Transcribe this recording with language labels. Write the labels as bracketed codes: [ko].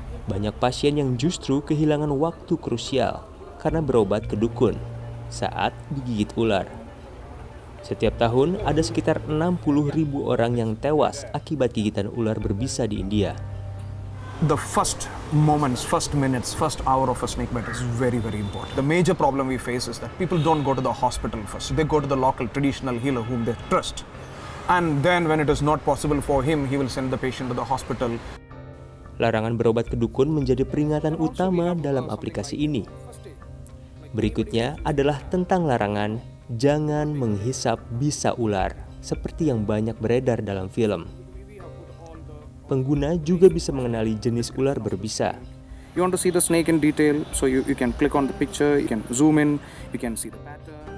[id] Banyak pasien yang justru kehilangan waktu krusial karena berobat ke dukun saat digigit ular. Setiap tahun, ada sekitar 60 ribu orang yang tewas akibat gigitan ular berbisa di India. [en] The first moments, first minutes, first hour of a snake bite is very, very important. The major problem we face is that people don't go to the hospital first. They go to the local traditional healer whom they trust. And then when it is not possible for him, he will send the patient to the hospital. [id] Larangan berobat ke dukun menjadi peringatan utama dalam aplikasi ini. Berikutnya adalah tentang larangan jangan menghisap bisa ular seperti yang banyak beredar dalam film. Pengguna juga bisa mengenali jenis ular berbisa. [en] You want to see the snake in detail, so you can click on the picture, you can zoom in, you can see the pattern.